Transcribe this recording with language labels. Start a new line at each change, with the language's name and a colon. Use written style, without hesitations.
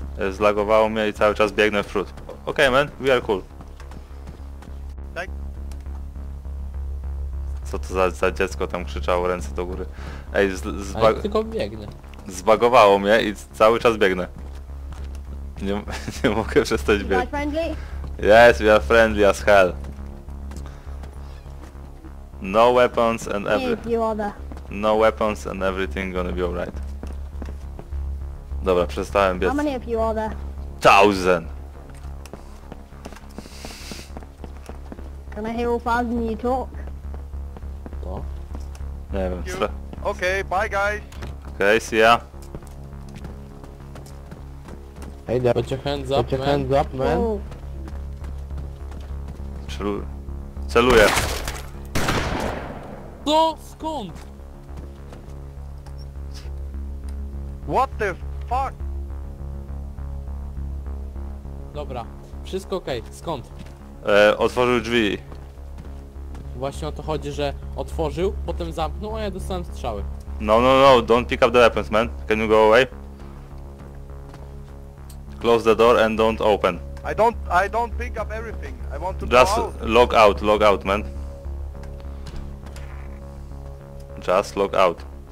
Polish: zlagowało mnie i cały czas biegnę w przód.
English: Ok, man, we are cool.
Polish: Co to za dziecko tam krzyczało, ręce do góry. Ej, tylko biegnę. Zbagowało mnie i cały czas biegnę. Nie mogę przestać biec.
English: Yes, we are friendly as hell. No weapons and everything. No weapons and everything gonna be alright.
Polish: Dobra, przestałem biec.
English: How many of you are there? 1000. Can I hear all 1000 you talk? No.
Polish: Nie wiem.
English: Okay, bye guys. Okay, see ya. Hey there. Put your hands up, your hands up, man.
Polish: Celuję. Co? Skąd?
English: What the fuck?
Polish: Dobra, wszystko okej, okay. Skąd? Otworzył drzwi. Właśnie o to chodzi, że otworzył, potem zamknął, a ja dostałem strzały.
English: No, don't pick up the weapons, man. Can you go away? Close the door and don't open. I don't pick up everything. I want to go just out. log out, man. Just log out.